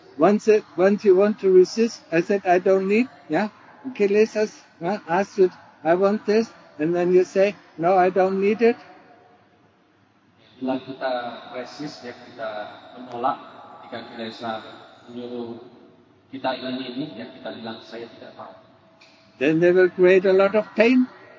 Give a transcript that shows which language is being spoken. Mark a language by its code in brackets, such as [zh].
[en] Once you want to resist, I said, I don't need. Yeah? Okay, let's ask you, I want this. And then you say, no, I don't need it. [id] Bila kita resist, ya kita menolak. Jika kita bisa menyuruh kita ingin ini, ya kita bilang, saya tidak mau. [en] Then they will create a lot of pain.